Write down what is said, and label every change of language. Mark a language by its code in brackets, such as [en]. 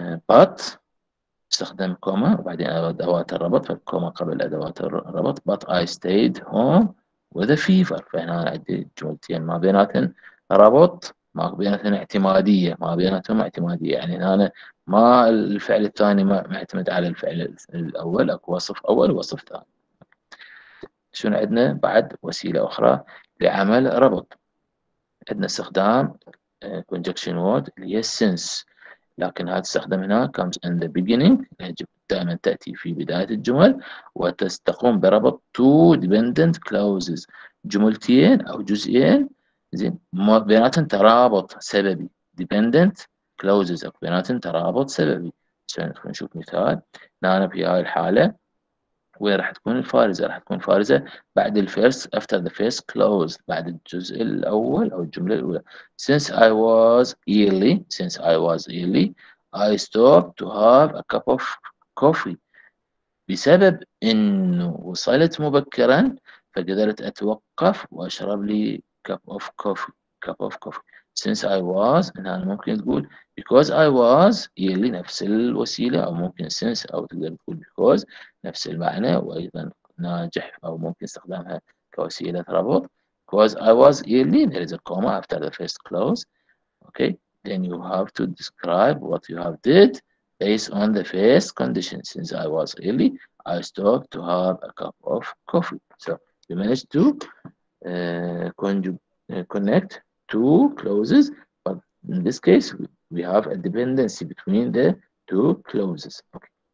[en] But [ar] استخدم كوما وبعدين أدوات الربط، فالكوما قبل أدوات الربط. [en] But I stayed home with a fever. [ar] فهنا عندي جملتين ما بيناتهم ربط، ما بيناتهم اعتمادية، ما بيناتهم اعتمادية، يعني هنا ما الفعل الثاني معتمد على الفعل الأول، أكو وصف أول وصف ثاني. شو عندنا بعد وسيلة أخرى لعمل ربط؟ عندنا استخدام [en] conjunction word [ar] اللي هي since، لكن هذا تستخدم هنا [en] comes in the beginning، [ar] يجب دائما تأتي في بداية الجمل، وتستقوم بربط [en] two dependent clauses، [ar] جملتين أو جزئين زين بيناتهم ترابط سببي، [en] dependent clauses [ar] بيناتهم ترابط سببي. نشوف مثال هنا في هاي الحالة وين راح تكون الفارزة؟ راح تكون فارزة بعد ال [en] first after the first clause، [ar] بعد الجزء الأول أو الجملة الأولى. [en] Since I was yearly I stopped to have a cup of coffee. [ar] بسبب إنه وصلت مبكرا فقدرت أتوقف وأشرب لي [en] cup of coffee. Since I was، [ar] إن أنا ممكن تقول [en] because I was yearly [ar] نفس الوسيلة، أو ممكن since أو تقدر تقول because نفس المعنى وأيضا ناجح، أو ممكن استخدامها كوسيلة ربط. [en] Because I was yearly there is a comma after the first clause. Okay. Then you have to describe what you have did based on the first condition. Since I was yearly I stopped to have a cup of coffee. So you managed to connect two clauses, but in this case we have a dependency between the two clauses. Okay.